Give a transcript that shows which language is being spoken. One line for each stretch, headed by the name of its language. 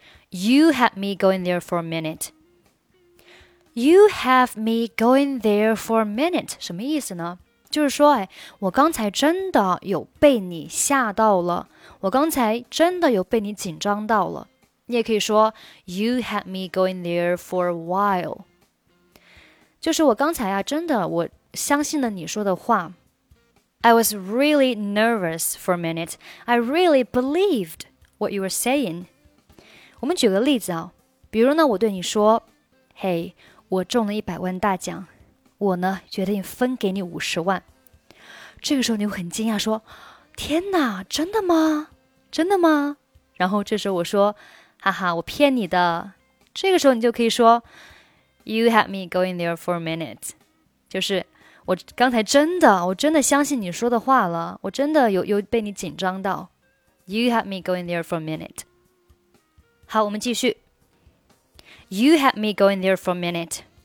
English: ，You had me going there for a minute。 You have me going there for a minute，
Chinese: 什么意思呢？就是说，哎，我刚才真的有被你吓到了，我刚才真的有被你紧张到了。你也可以说
English: ，You had me going there for a while。
Chinese: 就是我刚才啊，真的，我相信了你说的话。
English: I was really nervous for a minute. I really believed what you were saying.
Chinese: 我们举个例子啊，比如呢，我对你说，嘿，我中了100万大奖，我呢决定分给你50万。这个时候你会很惊讶说，天哪，真的吗？真的吗？然后这时候我说，哈哈，我骗你的。这个时候你就可以说
English: You had me going there for a minute.
Chinese: 就是我刚才真的，我真的相信你说的话了，我真的有被你紧张到。
English: You had me going there for a minute.
Chinese: 好，我们继续。
English: You had me going there for a minute.